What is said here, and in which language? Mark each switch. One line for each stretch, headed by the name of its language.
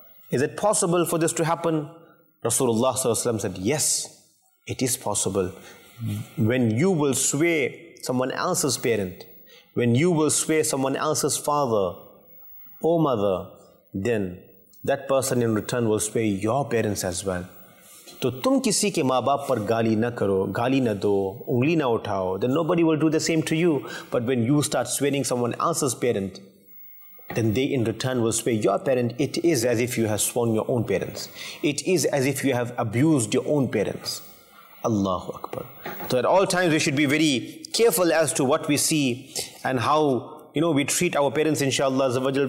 English: Is it possible for this to happen? Rasulullah Sallallahu Alaihi Wasallam said, yes, it is possible. When you will sway someone else's parent, when you will sway someone else's father or mother, then that person in return will spare your parents as well.
Urdu: تو تم کسی کے ماں باپ پر گالی نہ کرو, گالی نہ دو, انگلی نہ اٹھاؤ,
English: then nobody will do the same to you. But when you start swearing someone else's parent, then they in return will swear your parent. It is as if you have sworn your own parents. It is as if you have abused your own parents. Allahu Akbar. So at all times we should be very careful as to what we see and how, you know, we treat our parents, inshallah azawajal.